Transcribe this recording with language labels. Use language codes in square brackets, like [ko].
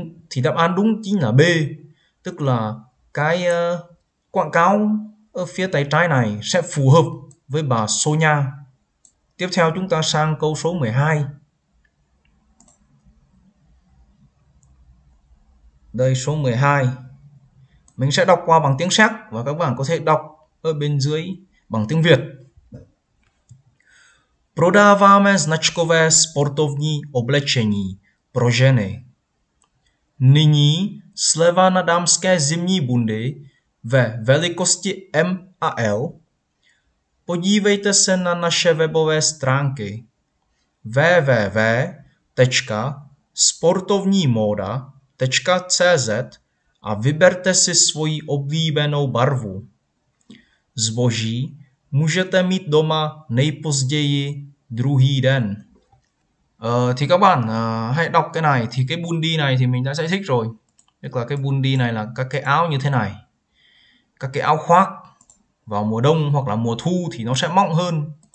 [vi] Thì đáp án đúng chính là B, tức là cái quảng cáo ở phía tay trái này sẽ phù hợp với bà Sonya. Tiếp theo chúng ta sang câu số 12. Đây số 12. Mình sẽ đọc qua bằng tiếng Séc và các bạn có thể đọc ở bên dưới bằng tiếng Việt. [cs] Prodáváme značkové sportovní oblečení pro ženy. Nyní sleva na dámské zimní bundy ve velikosti M a L. Podívejte se na naše webové stránky www.sportovnímoda.cz a vyberte si svoji oblíbenou barvu. Zboží můžete mít doma nejpozději druhý den. [vi] Thì các bạn hãy đọc cái này. Thì cái bundy này thì mình đã giải thích rồi, tức là cái bundy này là các cái áo như thế này, các cái áo khoác vào mùa đông hoặc là mùa thu thì nó sẽ mỏng hơn.